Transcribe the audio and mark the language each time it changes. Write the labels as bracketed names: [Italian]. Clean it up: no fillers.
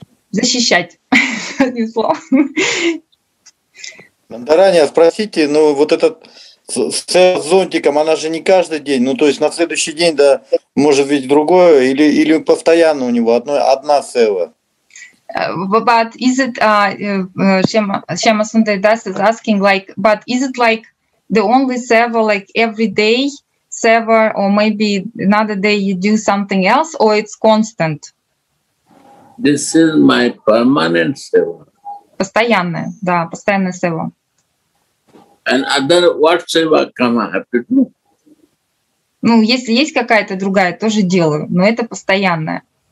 [Russian] Защищать. Одним словом. Мандараня, спросите, ну, вот этот сева с зонтиком, она же не каждый день, ну, то есть на следующий день, да, может быть, другое, или постоянно у него одна сева? [English] But is it, Shyama Sundari Das is asking, like, but is it like the only sever, like, every day? Sever, or maybe another day you do something else, or it's constant? This is my permanent seva. [Russian] Постоянное, да, постоянное seva. [English] And other, what seva come, I have to do? [Russian] Ну, если есть какая-то другая, тоже делаю, но это постоянное.